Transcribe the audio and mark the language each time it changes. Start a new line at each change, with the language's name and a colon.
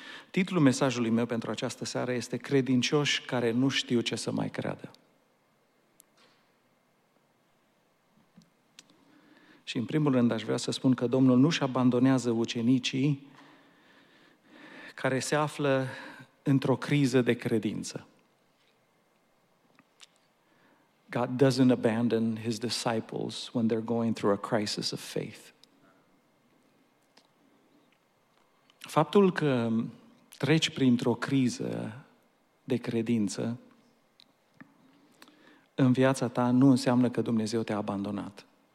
Romanian: Titlul mesajului meu pentru această seară este Credincioși care nu știu ce să mai creadă. Și în primul rând aș vrea să spun că Domnul nu-și abandonează ucenicii care se află într-o criză de credință.
English: God doesn't abandon his disciples when they're going through a crisis of faith.
Romanian: Faptul că treci printr-o criză de credință în viața ta nu înseamnă că Dumnezeu te-a abandonat.